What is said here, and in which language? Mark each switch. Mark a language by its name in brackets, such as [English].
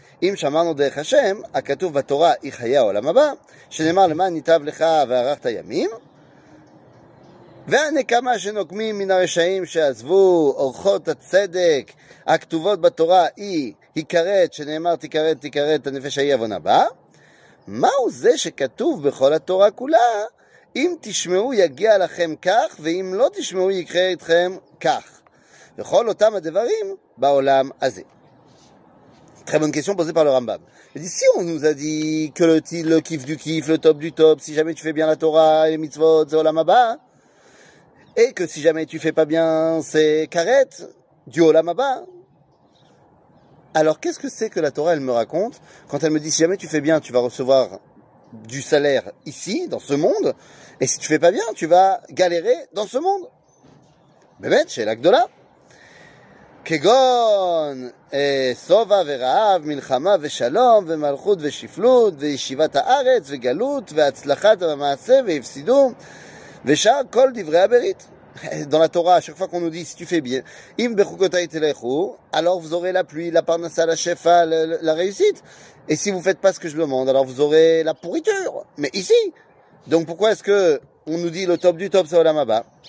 [Hebrew] אם שמענו דרך השם, הכתוב בתורה היא חיי העולם הבא, שנאמר למען ניטב לך וערכת הימים, והנקמה שנוקמים מן הרשעים שעזבו, אורחות הצדק, הכתובות בתורה היא, היקרת, שנאמר תיקרת, תיקרת, הנפש ההיא אבון הבא, מהו זה שכתוב בכל התורה כולה, אם תשמעו יגיע לכם כך, ואם לא תשמעו יקרה אתכם כך, וכל אותם הדברים בעולם הזה. [French] Très bonne question posée par le Rambam. Il dit, si on nous a dit que le kiff du kiff, le top du top, si jamais tu fais bien la Torah, les mitzvot, c'est olam haba, et que si jamais tu fais pas bien, c'est karet, du olam haba, alors qu'est-ce que c'est que la Torah, elle me raconte, quand elle me dit, si jamais tu fais bien, tu vas recevoir du salaire ici, dans ce monde, et si tu fais pas bien, tu vas galérer dans ce monde. Mais bête, c'est l'akdola. [Hebrew] כגון סובה ורעב, מלחמה ושלום ומלכות ושפלות וישיבת הארץ וגלות והצלחת המעשה והפסידו ושאר כל דברי הברית. [French] Dans la Torah, à chaque fois qu'on nous dit si tu fais bien, im bechukotai telechu, alors vous aurez la pluie, la parnassa, la shefa, la réussite. Et si vous faites pas ce que je demande, alors vous aurez la pourriture. Mais ici, donc pourquoi est-ce que on nous dit le top du top c'est olam haba?